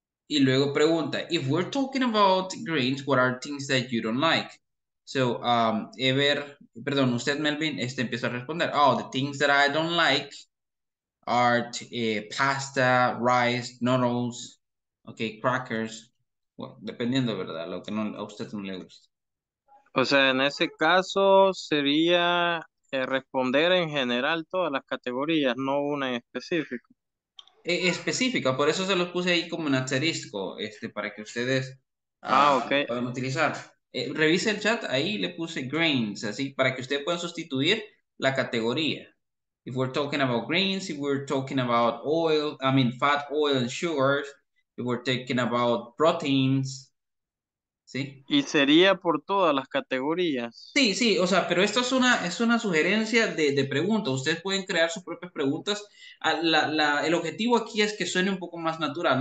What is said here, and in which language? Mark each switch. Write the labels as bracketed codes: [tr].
[es] Y luego pregunta, [en] if we're talking about grains, what are things that you don't like? So, [es] usted, [en] Melvin, [es] empieza a responder, [en] oh, the things that I don't like are pasta, rice, noodles, okay, crackers. [es] Bueno, dependiendo, ¿verdad? Lo que no, a usted no le gusta. O sea, en ese caso sería responder en general todas las categorías, no una en específico. Específica, por eso se los puse ahí como un asterisco, para que ustedes okay. Puedan utilizar. Revise el chat, ahí le puse grains, así, para que usted pueda sustituir la categoría. [en] If we're talking about grains, if we're talking about oil, I mean fat, oil, and sugars, if we're talking about proteins, ¿sí? [es] Y sería por todas las categorías. Sí, o sea, pero esto es una sugerencia de preguntas. Ustedes pueden crear sus propias preguntas. El objetivo aquí es que suene un poco más natural.